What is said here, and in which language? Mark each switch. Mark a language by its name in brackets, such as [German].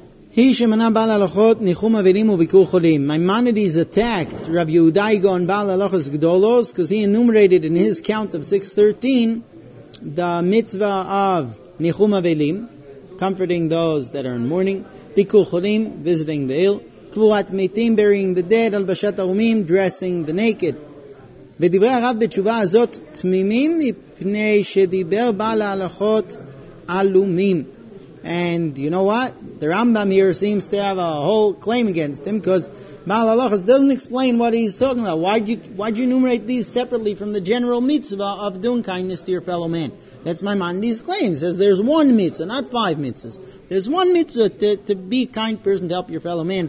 [English] Hi Shemana Baal Halachot, Nichum Avelim U'Bikur Cholim. Maimonides attacked Rav Yehuda Igon Baal Halachos Gdolos, because he enumerated in his count of 613 the mitzvah of Nichum Avelim, comforting those that are in mourning, Bikur Cholim, visiting the ill, Kvuat Mitim, burying the dead, Alvashat Arumim, dressing the naked. [Hebrew] ודיבר הרב בתשובה הזאת תמימים מפני שדיבר בעל ההלכות עלומים. [English] And you know what? The Rambam here seems to have a whole claim against him, because Baal HaLachos doesn't explain what he's talking about. Why'd you enumerate these separately from the general mitzvah of doing kindness to your fellow man? That's Maimonides' claim. He says there's one mitzvah, not five mitzvahs. There's one mitzvah to be a kind person, to help your fellow man.